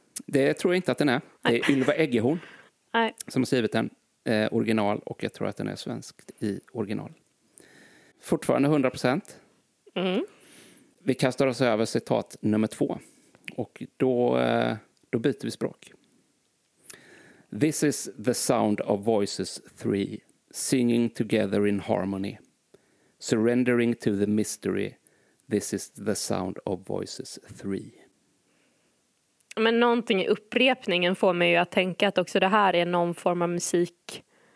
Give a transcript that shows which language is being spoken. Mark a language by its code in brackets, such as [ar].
[sv] Det tror jag inte att den är. Det är Ylva Eggehorn som har skrivit den original, och jag tror att den är svenskt i original. Fortfarande 100%. Mm. Vi kastar oss över citat nummer två. Och då byter vi språk. [en] This is the sound of voices three singing together in harmony. Surrendering to the mystery. This is the sound of voices three. [sv] Men någonting i upprepningen får mig ju att tänka att också det här är någon form av musikstycke.